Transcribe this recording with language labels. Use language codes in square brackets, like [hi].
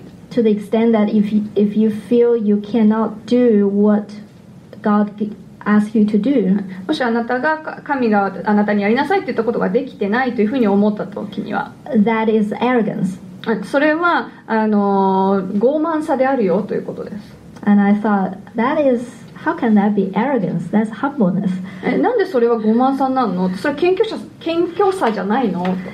[en] To the extent that if you feel you cannot do what God asks you to do, [ja] もしあなたが神があなたにやりなさいって言ったことができてないというふうに思った時には、 [en] that is arrogance. [ja] それはあの傲慢さであるよということです。 [en] And I thought that is how can that be arrogance? That's humbleness. [ja] なんでそれは傲慢さなの？それ謙虚さじゃないの？